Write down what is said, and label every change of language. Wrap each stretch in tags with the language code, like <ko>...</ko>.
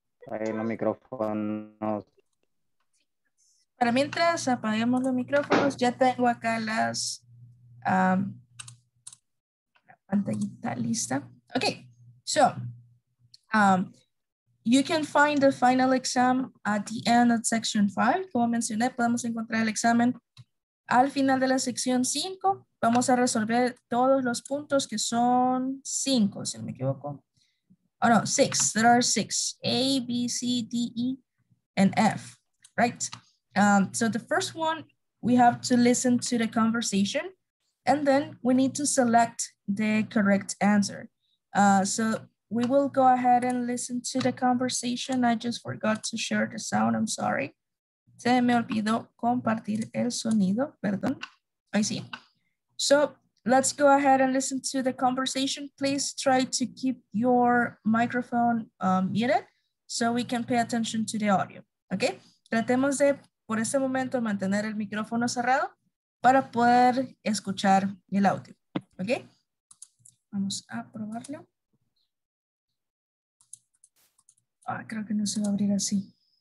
<es>Ahí los micrófonos. Para mientras apaguemos los micrófonos, ya tengo acá las la pantallita lista.</es> <en>Okay, so you can find the final exam at the end of section 5.</en> <es>Como mencioné, podemos encontrar el examen al final de la sección 5. Vamos a resolver todos los puntos que son 5, si no me equivoco.</es> <en>Oh no, 6. There are 6. A, B, C, D, E, and F. Right? So the first one, we have to listen to the conversation. And then we need to select the correct answer. So we will go ahead and listen to the conversation. I just forgot to share the sound. I'm sorry.</en> <es>Se me olvidó compartir el sonido. Perdón.</es> <en>I see. So let's go ahead and listen to the conversation. Please try to keep your microphone muted so we can pay attention to the audio. Okay?</en> <es>Tratemos de, por este momento, mantener el micrófono cerrado para poder escuchar el audio. Okay? Vamos a probarlo. Ah, creo que no se va a abrir así.</es>